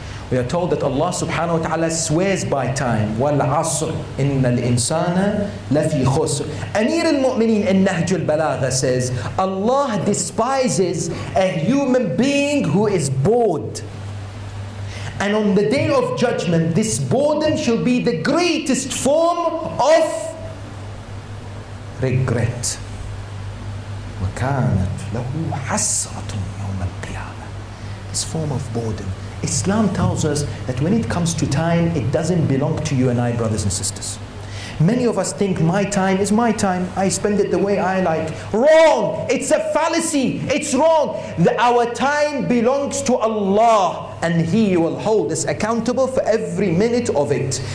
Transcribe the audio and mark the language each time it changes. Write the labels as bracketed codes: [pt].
[en] We are told that Allah subhanahu wa ta'ala swears by time. [ar] وَالْعَصْرِ إِنَّ الْإِنسَانَ لَفِي خُسْرِ [en] Amir al-Mu'mineen in Nahjul Balagha says, Allah despises a human being who is bored. And on the day of judgment, this boredom shall be the greatest form of regret. [ar] وَكَانَتْ لَهُ حَسْرَةٌ يَوْمَ الْقِيَامَةِ [en] This form of boredom. Islam tells us that when it comes to time, it doesn't belong to you and I, brothers and sisters. Many of us think my time is my time. I spend it the way I like. Wrong! It's a fallacy. It's wrong. Our time belongs to Allah. And He will hold us accountable for every minute of it.